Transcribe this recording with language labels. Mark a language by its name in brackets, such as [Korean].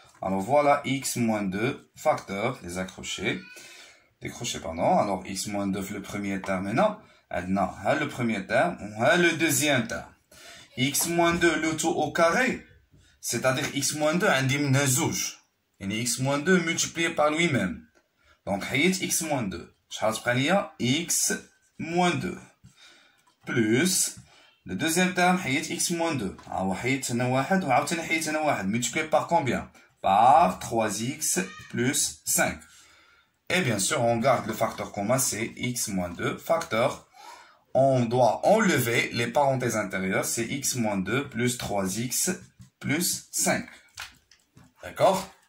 [French] Alors, voilà x moins 2, facteur, les accrochés. Décrochés, pardon. Alors, x moins 2, le premier terme maintenant. Le premier terme, le deuxième terme. x moins 2 le tout au carré, c'est-à-dire x moins 2 [Arabic] عندي منها زوج. يعني [French] x moins 2 multiplié par lui-même. Donc, [Arabic] حيت [French] x moins 2. [Arabic] شحال تبقى ليا x moins 2. [French] Plus, le deuxième terme, [Arabic] حيت [French] x moins 2. [Arabic] هو حيت هنا واحد وعاوتاني حيت هنا واحد. [French] Multiplié par combien? Par 3x plus 5. Et bien sûr, on garde le facteur commun, c'est x moins 2. Facteur, on doit enlever les parenthèses intérieures, c'est x moins 2 plus 3x plus 5. D'accord?